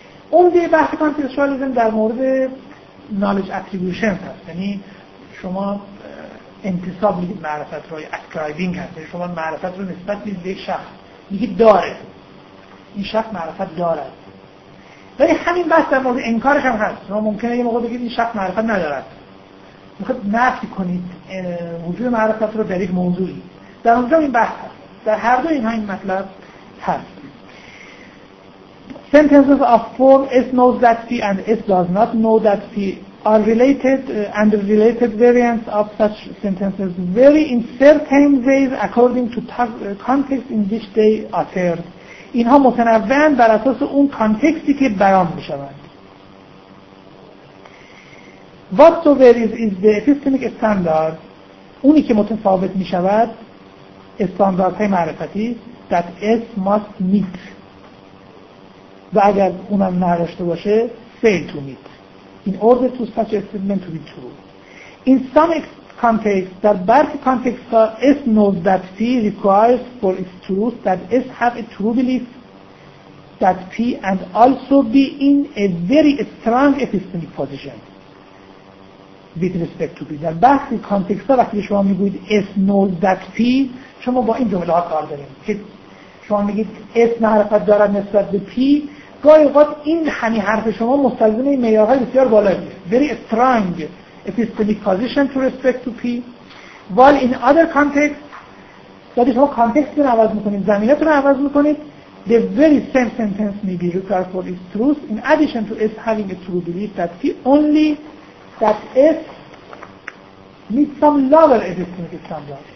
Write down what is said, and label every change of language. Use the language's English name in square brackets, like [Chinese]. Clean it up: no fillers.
[Persian] اون دیگه بحث کانتکستوالیسم در مورد knowledge attribution هست، یعنی شما انتصاب میدید معرفت رو، ascribing هست، یعنی شما معرفت رو نسبت میدید به یک شخص، میگید داره این شخص معرفت دارد. ولی همین بحث در مورد انکارش هم هست، شما ممکنه یه موقع بگید این شخص معرفت ندارد، میخواد نفی کنید وجود معرفت رو در یک موضوعی. در اونجا این بحث هست، در هر دو اینها این مطلب هست. [English] Sentences of form S knows that P and S does not know that P are related and the related variants of such sentences vary in certain ways according to context in which they occur. [Persian] اینها متنوعن بر اساس اون کانتکستی که بیان می‌شوند. [English] Whatever is the epistemic standard، اونی که متفاوت می‌شود استانداردهای معرفتی that S must meet، و اگر اونم نداشته باشه fail to meet in order to such a statement to be true. In some context، در برخی context ها S knows that P requires for its truth that S have a true belief that P and also be in a very strong epistemic position with respect to P. [Persian] در برخی context ها وقتی شما میگوید S knows that P، شما با این جمله ها کار داریم که شما میگید S معرفت دارد نسبت به P. [English] گاهی اوقات این همی حرف شما مستلزم معیارهای بسیار بالایی very strong epistemic position to respect to P، while in other context یعنی شما context رو عوض میکنید، زمینتون رو عوض میکنید، the very same sentence may be required for its truth in addition to S having a true belief that P only that S needs some lower epistemic standard.